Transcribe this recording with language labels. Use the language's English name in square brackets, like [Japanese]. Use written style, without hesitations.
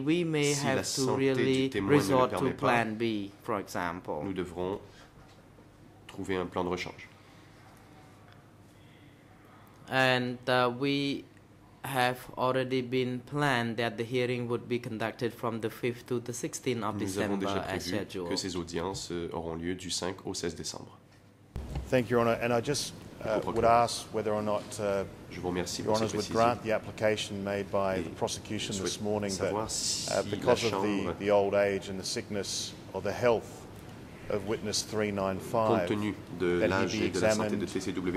[English] We may have to really resort to plan B, for example. [French] Nous devrons trouver un plan de rechange. [English] And we have already been planned that the hearing would be conducted from the 5th to the 16th of December as scheduled. [French] Que ces audiences auront lieu du 5 au 16 décembre. [English] Thank you, Your Honour. And I just would ask whether or not Your Honours would grant the application made by the prosecution this morning that because of the old age and the sickness or the health of witness 395, that he be examined